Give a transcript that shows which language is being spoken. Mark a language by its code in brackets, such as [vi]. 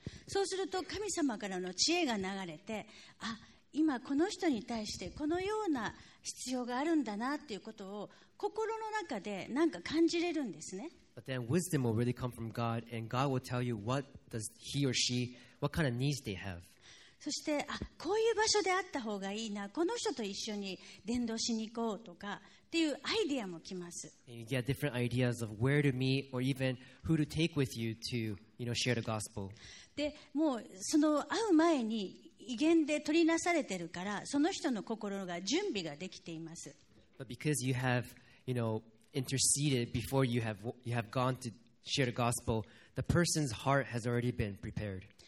[ja] そうすると神様からの知恵が流れて、あ、今この人に対してこのような必要があるんだなっていうことを心の中でなんか感じれるんですね。 [en] But then wisdom will really come from God, and God will tell you what does he or she, what kind of needs they have. [ja] そして、あ、こういう場所であった方がいいな、この人と一緒に伝道しに行こうとかっていうアイデアも来ます。 [en] And you get different ideas of where to meet or even who to take with you to, you know, share the gospel. [ja] で、もうその会う前に異言で取りなされてるから、その人の心が準備ができています。 [en] But because you have, you know,interceded before you have gone to share the gospel, the person's heart has already been prepared.